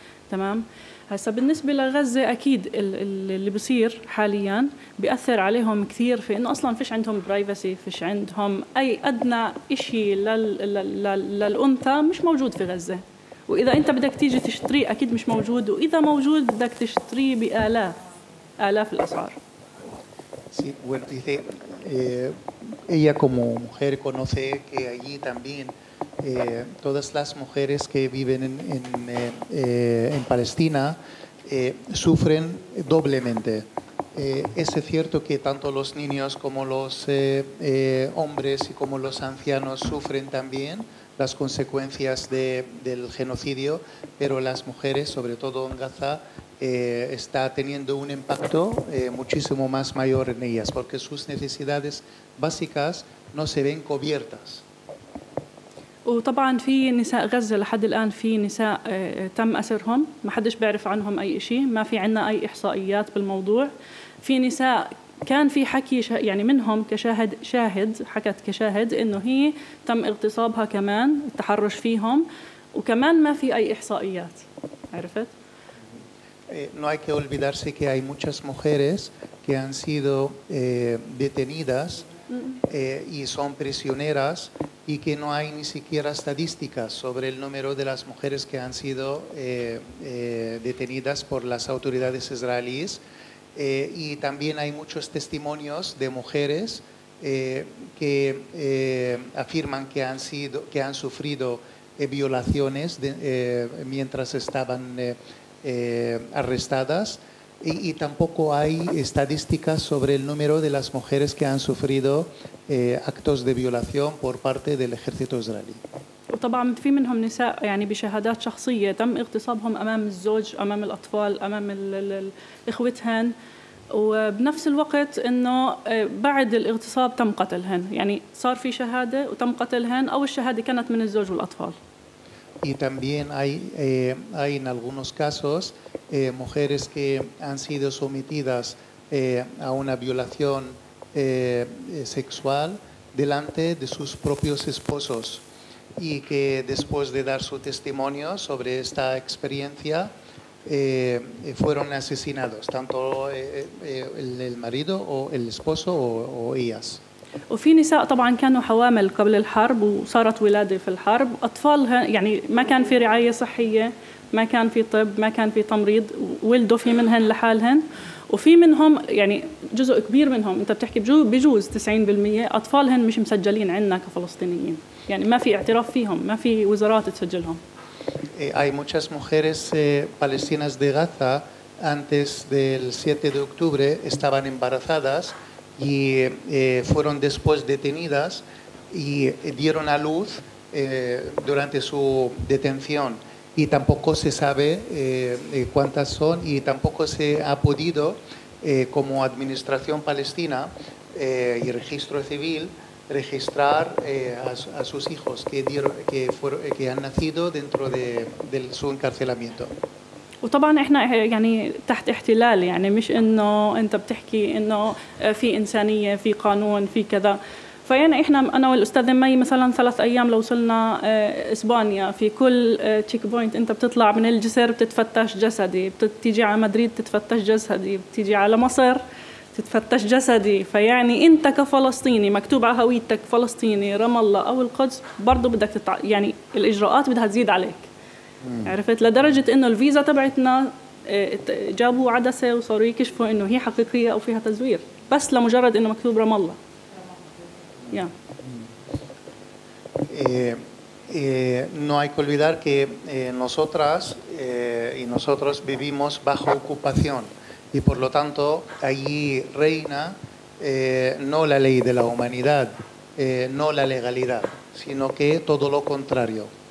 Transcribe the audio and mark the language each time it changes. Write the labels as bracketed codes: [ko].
[ar] تمام هسا بالنسبة لغزة أكيد اللي بصير حاليا بيأثر عليهم كثير في إنه أصلا فيش عندهم برايفسي فيش عندهم أي أدنى إشي للأنثى مش موجود في غزة وإذا أنت بدك تيجي تشتري أكيد مش موجود وإذا موجود بدك تشتري بآلاف الأسعار [es] Sí, bueno, dice, ella como mujer conoce que allí también todas las mujeres que viven en Palestina sufren doblemente. ¿Es cierto que tanto los niños como los hombres y como los ancianos sufren también las consecuencias del genocidio, pero las mujeres, sobre todo en Gaza, está teniendo un impacto muchísimo más mayor en ellas porque sus necesidades básicas no se ven cubiertas. [ar] وطبعا في نساء غزة لحد الآن في نساء تم أسرهم ما حدش بيعرف عنهم أي شيء ما في عنا أي إحصائيات بالموضوع في نساء كان في حكي يعني منهم كشاهد حكت كشاهد إنه هي تم اغتصابها كمان التحرش فيهم وكمان ما في أي إحصائيات عرفت [es] No hay que olvidarse que hay muchas mujeres que han sido detenidas y son prisioneras y que no hay ni siquiera estadísticas sobre el número de las mujeres que han sido detenidas por las autoridades israelíes. Y también hay muchos testimonios de mujeres que afirman que han sufrido violaciones mientras estaban arrestadas y tampoco hay estadísticas sobre el número de las mujeres que han sufrido actos de violación por parte del ejército israelí. [ar] وطبعا في منهم نساء يعني بشهادات شخصية تم اغتصابهم أمام الزوج أمام الأطفال أمام الإخوتهن وبنفس الوقت إنه بعد الاغتصاب تم قتلهن يعني صار في شهادة وتم قتلهن أو الشهادة كانت من الزوج والأطفال. [es] Y también hay en algunos casos mujeres que han sido sometidas a una violación sexual delante de sus propios esposos y que después de dar su testimonio sobre esta experiencia fueron asesinados, tanto el marido o el esposo o ellas. [ar] وفي نساء طبعا كانوا حوامل قبل الحرب وصارت ولادة في الحرب أطفالها يعني ما كان في رعاية صحية ما كان في طب ما كان في تمريض ولدوا في منهن لحالهن وفي منهم يعني جزء كبير منهم أنت بتحكي بجوز 90% أطفالهن مش مسجلين عندنا كفلسطينيين يعني ما في اعتراف فيهم ما في وزارات تسجلهم [es] hay muchas mujeres palestinas de Gaza antes del 7 de octubre estaban embarazadas y fueron después detenidas y dieron a luz durante su detención y tampoco se sabe cuántas son y tampoco se ha podido como administración palestina y registro civil registrar a sus hijos que han nacido dentro de su encarcelamiento. [ar] وطبعا احنا يعني تحت احتلال يعني مش انه انت بتحكي انه في انسانيه في قانون في كذا فيعني احنا انا والاستاذ مي مثلا ثلاث ايام لو وصلنا اسبانيا في كل تشيك بوينت انت بتطلع من الجسر بتتفتش جسدي بتيجي على مدريد تتفتش جسدي بتيجي على مصر تتفتش جسدي فيعني انت كفلسطيني مكتوب على هويتك فلسطيني رام الله او القدس برضه بدك يعني الاجراءات بدها تزيد عليك عرفت لدرجة إنه الفيزا تبعتنا جابوا عدسة وصاروا يكشفوا إنه هي حقيقية أو فيها تزوير بس لمجرد إنه مكتوب رام الله. [en] Yeah. [es] No hay que olvidar que nosotras y nosotros vivimos bajo ocupación y por lo tanto allí reina no la ley de la humanidad, no la legalidad, sino que todo lo contrario.